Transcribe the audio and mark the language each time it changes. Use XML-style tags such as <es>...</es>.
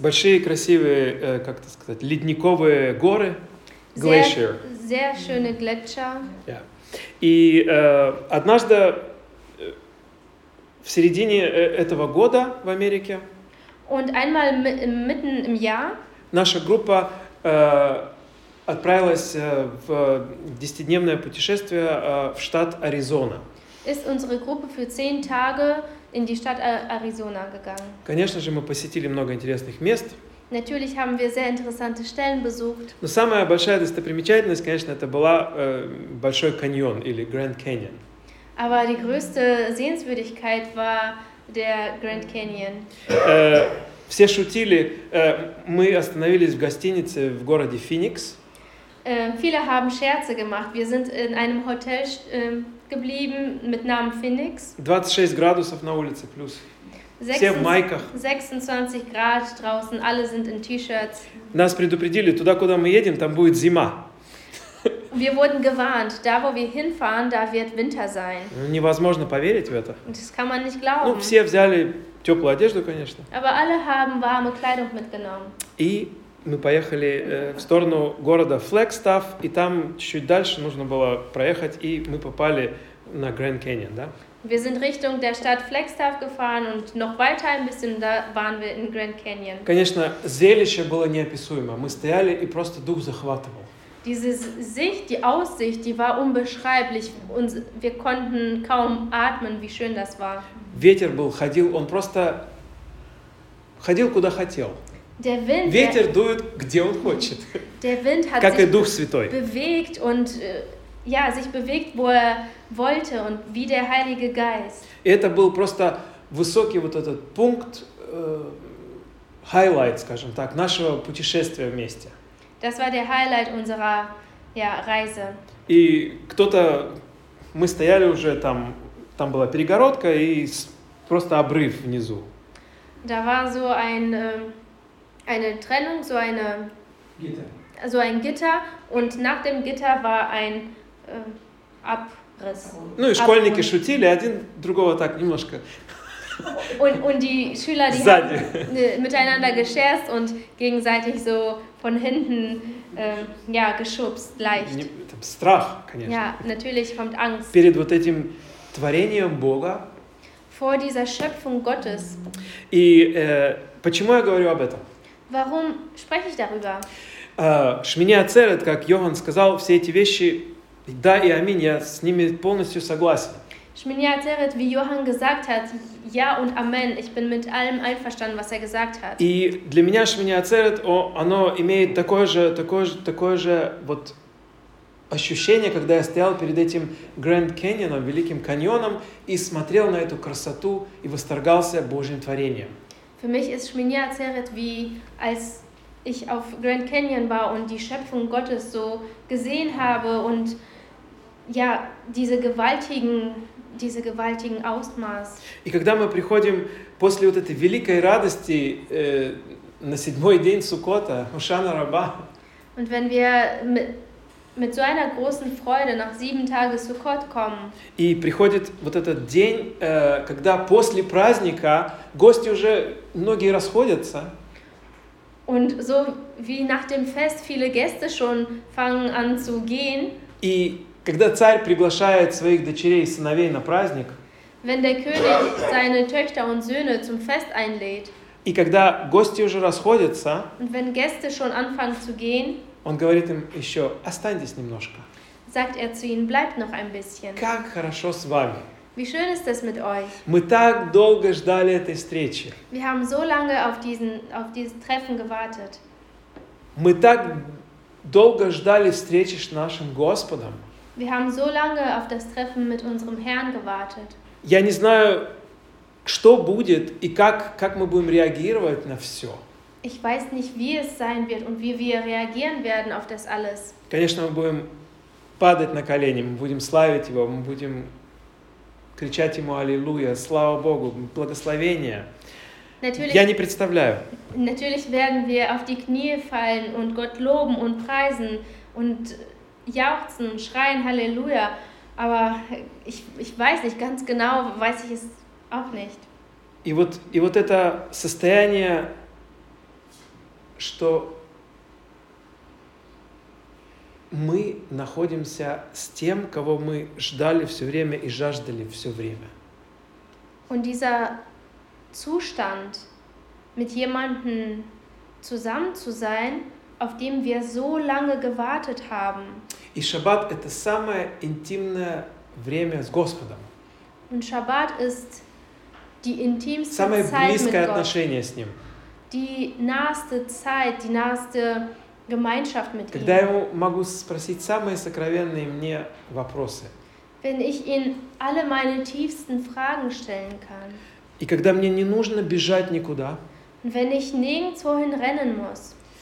<ru>Большие красивые, как это сказать, ледниковые горы.</ru> <en>Glacier.</en> <de>Sehr, sehr schöne Gletscher. Ja.</de> <ru>И однажды в середине этого года в Америке.</ru> <de>Und einmal mitten im Jahr.</de> <ru>Наша группа отправилась в 10-дневное путешествие в штат Аризона.</ru> <de>Ist unsere Gruppe für 10 Tage in die Stadt Arizona gegangen.</de> <ru>Конечно же, мы посетили много интересных мест.</ru> <de>Natürlich haben wir sehr interessante Stellen besucht.</de> <ru>Но самая большая достопримечательность, конечно, это была Большой каньон или Grand Canyon.</ru> <de>Aber die größte Sehenswürdigkeit war der Grand Canyon.</de> <ru>Все шутили. Мы остановились в гостинице в городе Феникс.</ru> <de>Viele haben Scherze gemacht. Wir sind in einem Hotel geblieben mit Namen Phoenix.</de> <ru>26 градусов на улице плюс. Все в майках.</ru> <de>26 Grad draußen, alle sind in T-Shirts.</de> <ru>Нас предупредили, туда, куда мы едем, там будет зима.</ru> <de>Wir wurden gewarnt, da, wo wir hinfahren, da wird Winter sein.</de> <ru>Невозможно поверить в это.</ru> <de>Das kann man nicht glauben.</de> <ru>Ну, все взяли теплую одежду, конечно.</ru> <de>Aber alle haben warme Kleidung mitgenommen.</de> <ru>И мы поехали в сторону города Флагстафф, и там чуть-чуть дальше нужно было проехать, и мы попали на Grand Canyon, да?</ru> <de>Wir sind Richtung der Stadt Flagstaff gefahren und noch weiter ein bisschen, da waren wir in Grand Canyon.</de> <ru>Конечно, зрелище было неописуемо. Мы стояли и просто дух захватывал.</ru> <de>Diese Sicht, die Aussicht, die war unbeschreiblich. Und wir konnten kaum atmen, wie schön das war.</de> <ru>Ветер был, ходил, он просто ходил, куда хотел.</ru> <de>Der Wind,</de> <ru>ветер дует, где он хочет.</ru> <de>Der Wind hat</de> <ru>как</ru> <de>sich</de> <ru>и Дух Святой.</ru> <de>Bewegt und, ja, sich bewegt, wo er wollte und wie der Heilige Geist.</de> <ru>И это был просто высокий вот этот пункт, highlight, скажем так, нашего путешествия вместе.</ru> <de>Das war der Highlight unserer, ja, Reise.</de> <ru>И кто-то, мы стояли уже там, там была перегородка и просто обрыв внизу.</ru> <de>Da war so ein... eine Trennung, so eine Gitter. So ein Gitter und nach dem Gitter war ein Ab,</de> <ru>Ну и школьники шутили, один другого так немножко.</ru> <de>Und die Schüler, die haben miteinander gescherzt und gegenseitig so von hinten ja, geschubst, leicht.</de> <ru>Не, это страх, конечно.</ru> <de>Ja, natürlich kommt Angst.</de> <ru>Перед вот этим творением Бога.</ru> <de>Vor dieser Schöpfung Gottes.</de> <ru>И почему я говорю об этом?</ru> <de>Warum spreche ich darüber?</de> <ru>Шмини Ацерет, как Йоганн сказал, все эти вещи, да и аминь, я с ними полностью согласен.</ru> <de>Шмини Ацерет, wie Йоганн gesagt hat, ja und amen, ich bin mit allem einverstanden, was er gesagt hat.</de> <ru>И для меня Шмини Ацерет, оно имеет такое же вот ощущение, когда я стоял перед этим Grand Canyon, Великим каньоном, и смотрел на эту красоту и восторгался Божьим творением.</ru> <de>Für mich ist Shmini Atzeret wie als ich auf Grand Canyon war und die Schöpfung Gottes so gesehen habe und ja, diese gewaltigen Ausmaß.</de> <ru>И когда мы приходим после вот этой великой радости на седьмой день Суккота, Ошана Раба.</ru> <de>Und wenn wir mit so einer großen Freude nach sieben Tagen Sukkot kommen.</de> <ru>И приходит вот этот день, когда после праздника гости уже многие расходятся.</ru> <de>Und so wie nach dem Fest viele Gäste schon fangen an zu gehen.</de> <ru>И когда царь приглашает своих дочерей и сыновей на праздник.</ru> <de>Wenn der König seine Töchter und Söhne zum Fest einlädt.</de> <ru>И когда гости уже расходятся.</ru> <de>Und wenn Gäste schon anfangen zu gehen.</de> <ru>Он говорит им еще, останьтесь немножко.</ru> <de>Sagt er zu ihnen, bleibt noch ein bisschen.</de> <ru>Как хорошо с вами.</ru> <de>Wie schön ist das mit euch?</de> <ru>Мы так долго ждали этой встречи.</ru> <de>Wir haben so lange auf dieses Treffen gewartet.</de> <ru>Мы так долго ждали встречи с нашим Господом.</ru> <de>Wir haben so lange auf das Treffen mit unserem Herrn gewartet.</de> <ru>Я не знаю, что будет и как мы будем реагировать на все.</ru> <de>Ich weiß nicht, wie es sein wird und wie wir reagieren werden auf das alles.</de> <ru>Конечно, мы будем падать на колени, мы будем славить его, мы будем кричать ему Аллилуйя, слава Богу, благословение.</ru> <de>Natürlich,</de> <ru>я не представляю.</ru> <de>Natürlich werden wir auf die Knie fallen und Gott loben und preisen und jauchzen und schreien Halleluja, aber ich weiß nicht ganz genau, weiß ich es auch nicht.</de> <ru>И вот это состояние, что мы находимся с тем, кого мы ждали все время и жаждали все время.</ru> <de>Und dieser Zustand, mit jemandem zusammen zu sein, auf dem wir so lange gewartet haben.</de> <ru>И Шаббат – это самое интимное время с Господом.</ru> <de>Und Shabbat ist die intimste</de> <ru>самое</ru> <de>Zeit</de> <ru>близкое</ru> <de>mit</de> <ru>отношение</ru> <de>Gott.</de> <ru>С Ним.</ru> <de>Die naheste Zeit, die naheste Gemeinschaft mit</de> <ru>Когда</ru> <de>ihm.</de> <ru>Я могу спросить самые сокровенные мне вопросы.</ru> <de>Wenn ich ihn alle meine tiefsten Fragen stellen kann.</de> <ru>И когда мне не нужно бежать никуда.</ru> <de>Und wenn ich nirgendwo hin rennen muss.</de>